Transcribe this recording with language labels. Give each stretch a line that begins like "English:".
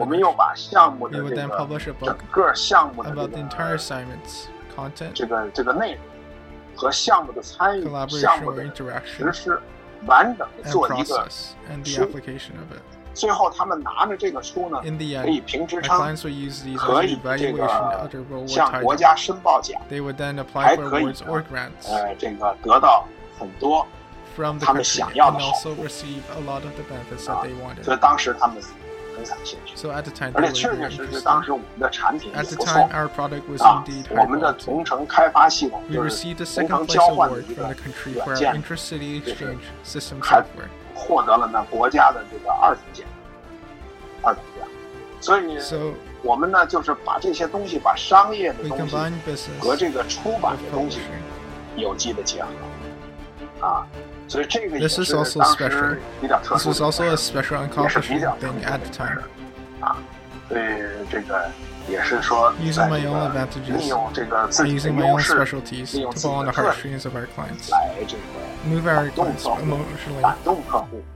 Chinese: 我们又把项目的这个
English: we would then publish a book
Chinese: 整个项目的、
English: about the entire assignment's content，
Chinese: 这个内容和项目的参与、
English: collaboration
Chinese: 项目的
English: interaction。
Chinese: 完整做一个书
English: and the application of it。
Chinese: 最后他们拿着这个书呢，
English: in the end,
Chinese: 可以评职称，
English: my clients would use these as evaluation of their role title，
Chinese: 向国家申报奖，
English: they would then apply for awards or grants，
Chinese: 这个得到很多
English: from the
Chinese: 他们想要的好处，
English: and also receive a lot of the benefits that they wanted。
Chinese: 所以当时他们很感兴趣，
English: so at the time，
Chinese: 而且确确实实当时我们的产品也不错，
English: at the time our product was indeed high quality。
Chinese: 我们的同城开发系统，
English: we received a second place award from the country for our intercity exchange system software，
Chinese: 获得了那国家的这个二等奖。所以我们呢就是把这些东西，把商业的东西和这个出版的东西有机的结合所以这个也是当时比较特殊的事。
English: This was also a special accomplishment thing at the time。
Chinese: 所以这个也是说
English: using my own advantages， using my own specialties to pull on the heartstrings of our clients， move our clients emotionally，
Chinese: 感动客户，